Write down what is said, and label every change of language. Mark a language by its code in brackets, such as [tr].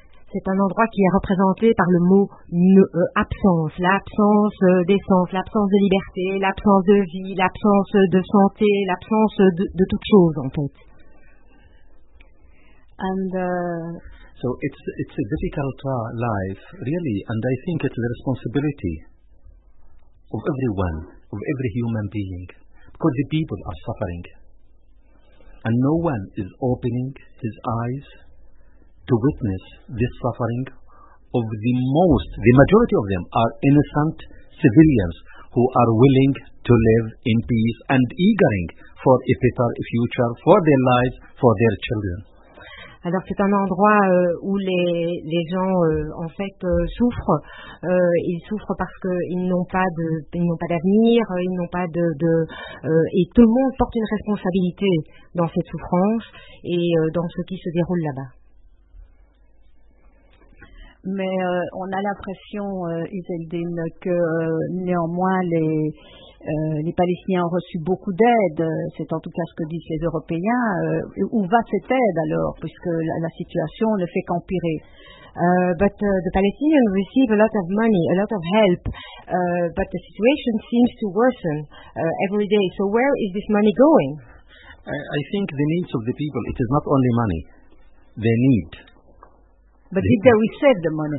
[fr] C'est un endroit qui est représenté par le mot absence, l'absence d'essence, l'absence de liberté, l'absence de vie, l'absence de santé, l'absence de toute chose en fait. [en] And so it's a difficult life really, and I think it's the responsibility of everyone, of every human being, because the people are suffering, and no one is opening his eyes to witness this suffering of the majority of them are innocent civilians who are willing to live in peace and eagering for a better future for their lives, for their children. [fr] Alors c'est un endroit où les gens en fait souffrent. Ils souffrent parce qu'ils n'ont pas de, ils n'ont pas d'avenir, ils n'ont pas et tout le monde porte une responsabilité dans cette souffrance et dans ce qui se déroule là-bas. Mais on a l'impression, Iseldine, que néanmoins les Palestiniens ont reçu beaucoup d'aide. C'est en tout cas ce que disent les Européens. Où va cette aide alors, puisque la situation ne fait qu'empirer? [en] But the Palestinians receive a lot of money, a lot of help, but the situation seems to worsen every day. So where is this money going? I think the needs of the people. It is not only money. They need. But did they receive the money?